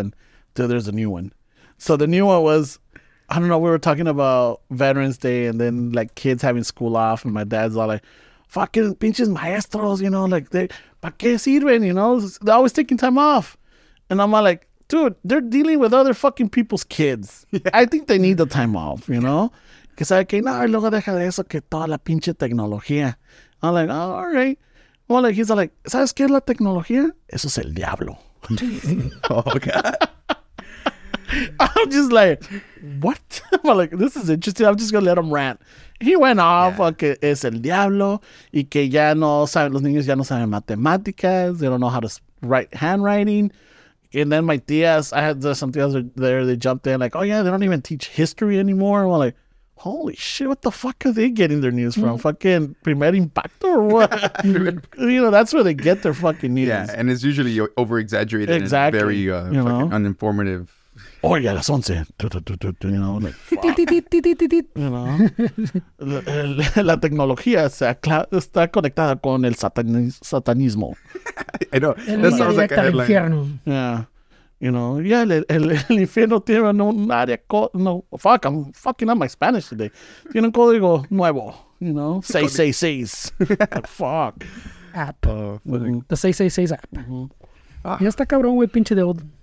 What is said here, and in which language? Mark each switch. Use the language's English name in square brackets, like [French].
[English] And, dude, there's a new one. So the new one was, I don't know, we were talking about Veterans Day and then, like, kids having school off. And my dad's all like, fucking [Spanish] pinches maestros, [English] you know, like, [Spanish] ¿pa qué sirven? [English] You know, they're always taking time off. And I'm all like, dude, they're dealing with other fucking people's kids. Yeah. I think they need the time off, you know? Because I can't, [Spanish] luego deja de eso que toda la pinche tecnología. [English] I'm like, oh, all right. Well, like, he's like, [Spanish] ¿sabes qué es la tecnología? Eso es el diablo. [English] Oh, God. I'm just like, what? I'm like, this is interesting. I'm just going to let him rant. He went off, [Spanish] que es el diablo, y que ya no saben, los niños ya no saben matemáticas, [English] they don't know how to write handwriting. And then my tías, I had some tías there, they jumped in like, oh, yeah, they don't even teach history anymore. I'm like, holy shit, what the fuck are they getting their news from? Fucking Primer Impacto or what? You know, that's where they get their fucking news. Yeah, and it's usually over-exaggerated. Exactly. And very uninformative. Oh, yeah, that's once in. You know, like, you know. [Spanish] La tecnología está conectada con el satanismo. [English] I know. That sounds like a headline. Yeah. You know, yeah, [Spanish] el infierno tiene un área. [English] No, fuck, I'm fucking up my Spanish today. [Spanish] Tiene un código nuevo. [English] You know, [Spanish] 666. [English] Fuck. App. The 666 app. [Spanish] Ya está cabrón, güey, pinche de old.